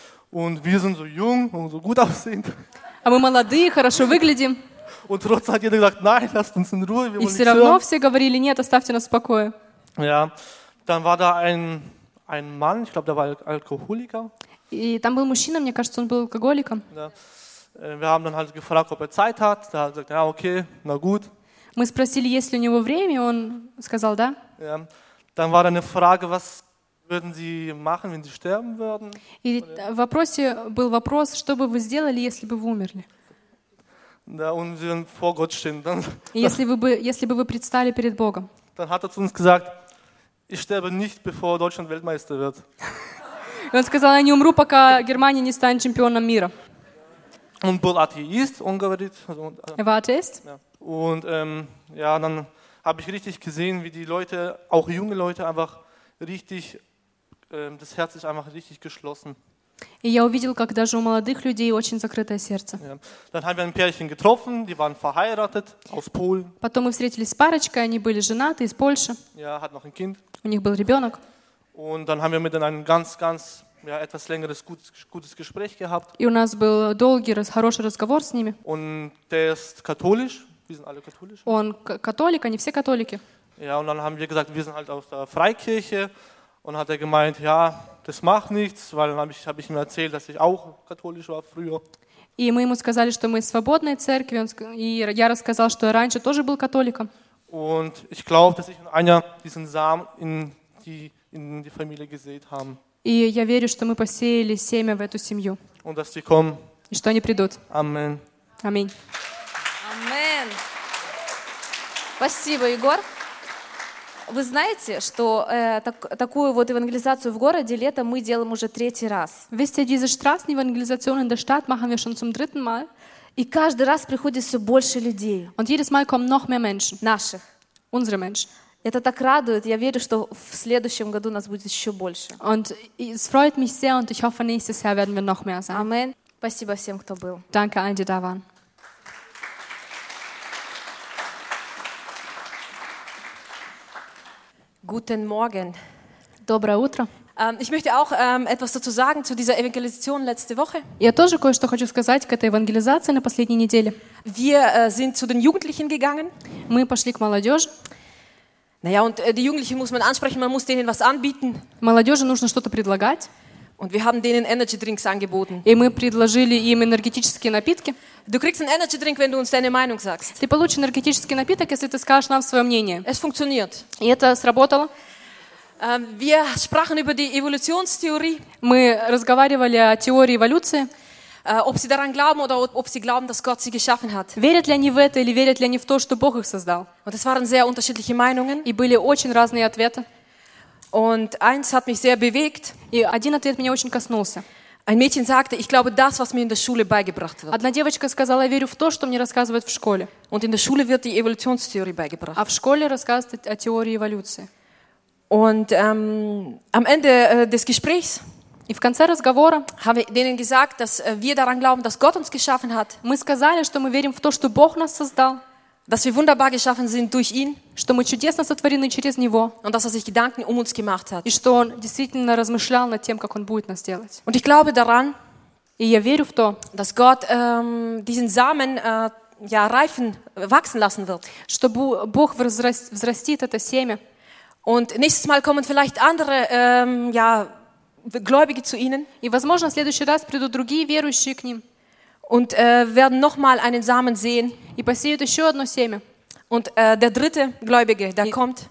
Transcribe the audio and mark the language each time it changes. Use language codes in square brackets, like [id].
[de] Und wir sind so jung und so gut aussehend. [ru] А мы молодые, хорошо выглядим. [de] Und trotzdem hat jeder gesagt nein, lasst uns in Ruhe, wir wollen nicht. [ru] И все равно все говорили нет, оставьте нас в покое. [de] Ja, dann war da ein Mann, ich glaube, der war Alkoholiker. [ru] И там был мужчина, мне кажется, он был алкоголиком. Да. [de] Wir haben dann halt gefragt, ob er Zeit hat. Da hat er gesagt, ja, okay, na gut. [ru] Мы спросили, есть ли у него время, он сказал, да. [de] Ja. Dann war da eine Frage, was würden Sie machen, wenn Sie sterben würden? [ru] И в вопросе был вопрос, что бы вы сделали, если бы вы умерли? [de] Да, und wir vor Gott stehen. Dann, [ru] если бы вы предстали перед Богом. [de] Dann hat er zu uns gesagt, ich sterbe nicht, bevor Deutschland Weltmeister wird. [ru] И он сказал, я не умру, пока Германия не станет чемпионом мира. Он был атеист, он говорит. [de] Er war Atheist. Und ja, dann habe ich richtig gesehen, wie die Leute, auch junge Leute, einfach richtig, das Herz ist einfach richtig geschlossen. [ru] И я увидел, как даже у молодых людей очень закрытое сердце. [de] Ja. Dann haben wir ein Pärchen getroffen, die waren verheiratet aus Polen. [ru] Потом мы встретились с парочкой, они были женаты из Польши. [de] Ja, hat noch ein Kind. [ru] У них был ребенок. [de] Und dann haben wir mit ihnen ein ganz, ja, etwas längeres, gutes Gespräch gehabt. [ru] И у нас был долгий, хороший разговор с ними. [de] Und der ist katholisch, wir sind alle katholisch. [ru] Он католик, они все католики. [de] Ja, und dann haben wir gesagt, wir sind halt aus der Freikirche. Und hat er gemeint, ja, das macht nichts, weil dann hab ich ihm erzählt, dass ich auch katholisch war früher. [ru] И мы ему сказали, что мы из свободной церкви, и я рассказал, что я раньше тоже был католиком. [de] Und ich glaube, dass ich und Anja diesen Samen in die Familie gesät haben. [ru] И я верю, что мы посеяли семя в эту семью. [de] Und dass sie kommen. [ru] И что они придут. [de] Amen. Amen. [ru] Amen. Спасибо, Егор. Вы знаете, что такую вот евангелизацию в городе летом мы делаем уже третий раз. [de] Wisst ihr, diese Straßenevangelisation in der Stadt machen wir schon zum dritten Mal. [ru] И каждый раз приходит все больше людей. [de] Und jedes Mal kommen noch mehr Menschen. [ru] Наших. [de] Unsere Menschen. [ru] Это так радует. Я верю, что в следующем году нас будет еще больше. [de] Und es freut mich sehr und ich hoffe, nächstes Jahr werden wir noch mehr sein. [ru] Amen. Спасибо всем, кто был. [de] Danke allen, die da waren. Guten Morgen. [ru] Доброе утро. [de] Ich möchte auch etwas dazu sagen zu dieser Evangelisation letzte Woche. [ru] Я тоже кое-что хочу сказать к этой евангелизации на последней неделе. [de] Wir sind zu den Jugendlichen gegangen. [ru] Мы пошли к молодежи. [de] Naja, und die Jugendlichen muss man ansprechen, man muss denen was anbieten. [ru] Молодежи нужно что-то предлагать. [de] Und wir haben denen Energy Drinks angeboten. [ru] И мы предложили им энергетические напитки. [de] Du kriegst einen Energy Drink, wenn du uns deine Meinung sagst. [ru] Ты получишь энергетический напиток, если ты скажешь нам свое мнение. [de] Es funktioniert. [ru] И это сработало. [de] Wir sprachen über die Evolutionstheorie. [ru] Мы разговаривали о теории эволюции. [de] Ob sie daran glauben oder ob sie glauben, dass Gott sie geschaffen hat. [ru] Верят ли они в это или верят ли они в то, что Бог их создал? [de] Und es waren sehr unterschiedliche Meinungen. [ru] И были очень разные ответы. [de] Und eins hat mich sehr bewegt. [ru] И один ответ меня очень коснулся. [de] Ein Mädchen sagte, ich glaube das, was mir in der Schule beigebracht wird. [ru] Одна девочка сказала, я верю в то, что мне рассказывают в школе. [de] Und in der Schule wird die Evolutionstheorie beigebracht. [ru] А в школе рассказывают о теории эволюции. [de] Und am Ende des Gesprächs. [ru] И в конце разговора. [de] Haben wir denen gesagt, dass wir daran glauben, dass Gott uns geschaffen hat. [ru] Мы сказали, что мы верим в то, что Бог нас создал. [de] Dass wir wunderbar geschaffen sind durch ihn, [ru] что мы чудесно сотворены через него, [de] und dass er sich Gedanken um uns gemacht hat, [ru] и что он действительно размышлял над тем, как он будет нас делать. [de] Und ich glaube daran, [ru] и я верю в то, [de] dass Gott diesen Samen ja reifen wachsen lassen wird, [ru] что Бог взрастит это семя. [de] Und nächstes Mal kommen vielleicht andere ja Gläubige zu ihnen, [ru] и возможно в следующий раз придут другие верующие к ним. [de] Und werden nochmal einen Samen sehen. [ru] И посеют еще одно семя. [de] Und der dritte Gläubige, der kommt.